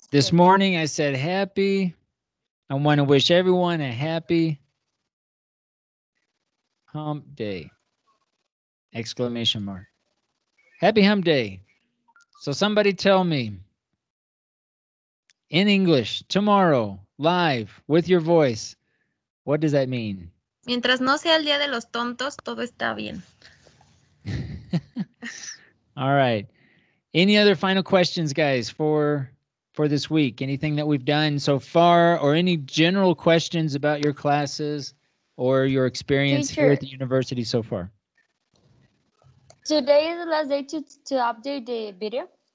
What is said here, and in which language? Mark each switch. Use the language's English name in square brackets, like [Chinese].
[English] This morning I said happy. I want to wish everyone a happy hump day. Exclamation mark. Happy hump day. So somebody tell me in English tomorrow, live with your voice, what does that mean? [Spanish] Mientras no sea el día de los tontos, todo está bien. [English] All right. Any other final questions, guys, for this week? Anything that we've done so far or any general questions about your classes or your experience here at the university so far? Today is the last day to update the video.